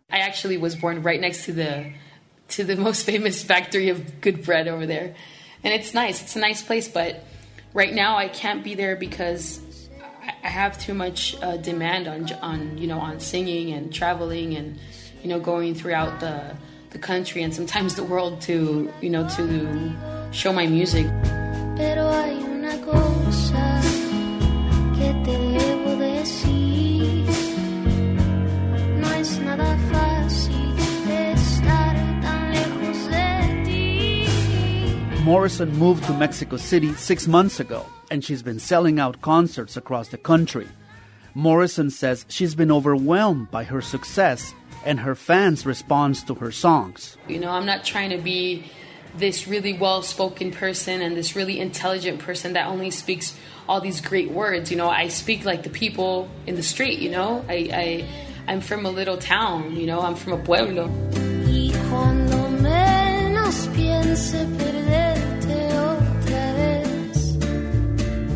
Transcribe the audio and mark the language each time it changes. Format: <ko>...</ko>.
<en>I actually was born right next to the most famous factory of good bread over there. And it's nice. It's a nice place. But right now I can't be there because I have too much demand on singing and traveling and, you know, going throughout the country and sometimes the world to, you know, to show my music.</en> <es>Pero hay una cosa que te debo decir. No es nada fácil estar tan lejos de ti.</es> <en>Morrison moved to Mexico City 6 months ago, and she's been selling out concerts across the country. Morrison says she's been overwhelmed by her success and her fans' response to her songs. You know, I'm not trying to be this really well-spoken person and this really intelligent person that only speaks all these great words. You know, I speak like the people in the street, you know? I'm from a little town, you know? I'm from a pueblo.</en> <es>Y cuando menos piense perderte otra vez,</es>